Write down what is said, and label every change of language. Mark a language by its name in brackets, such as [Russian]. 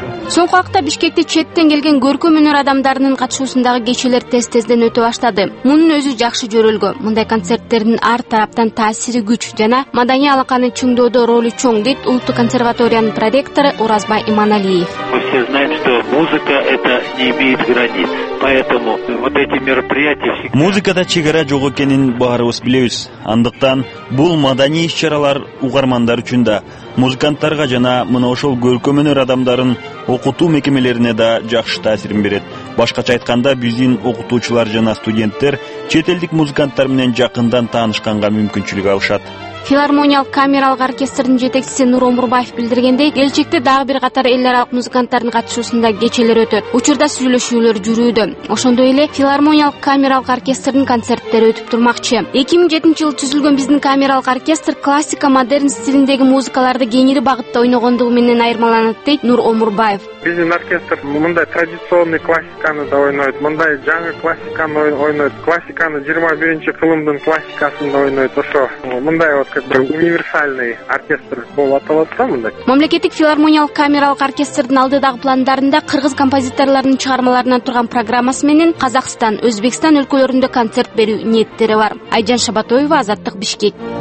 [Kyrgyz] Соңку убакта Бишкекте четтен келген көркөм өнөр адамдарынын катышуусундагы кечелер тез-тезден өтө баштады. Мунун өзү жакшы жөрөлгө. Мындай концерттердин ар тараптан таасири күч жана маданий алаканы чыңдоодо ролу чоң дейт Улуттук консерваториянын проректору Оразбай Иманалиев. [Russian] Все знают, что музыка это не имеет границ. Поэтому вот эти мероприятия всегда... [Kyrgyz] Музыкада чыгара жок экенин баарыбыз билебиз. Андыктан бул маданий иш-чаралар угармандар үчүн да, музыканттарга жана мына ошол көркөм өнөр адамдарын окутуу мекемелерине да жакшы таасирин берет. Башкача айтканда, биздин окутуучулар жана студенттер чет элдик музыканттар менен жакындан таанышканга мүмкүнчүлүк алышат. Филармониялык камералык оркестрдин жетекчиси Нур Омурбаев билдиргендей, келечекте дагы бир катар эл аралык музыканттардын катышуусунда кечелер өтөт. Учурда сүйлөшүүлөр жүрүүдө. Ошондой эле филармониялык камералык оркестрдин концерттери өтүп турмакчы. 2007 жылы түзүлгөн биздин камералык оркестр классика, модерн стилиндеги музыкаларды кеңири багытта ойногондугу менен айырмаланат дейт Нур Омурбаев. Биздин оркестр мындай традиционный классиканы да ойнойт, мындай жаңы классиканы ойнойт, классиканы 21-чи кылымдын классикасын да ойнойт. Ошо мындай [Russian] вот как бы [Kyrgyz] универсальный оркестр болуп аталат да мындай. Мамлекеттик филармониялык камералык оркестрдин алдыдагы пландарында кыргыз композиторлорунун чыгармаларынан турган программасы менен Казакстан, Өзбекстан өлкөлөрүндө концерт берүү ниеттери бар. Айжан Шабатоева, Азаттык, Бишкек.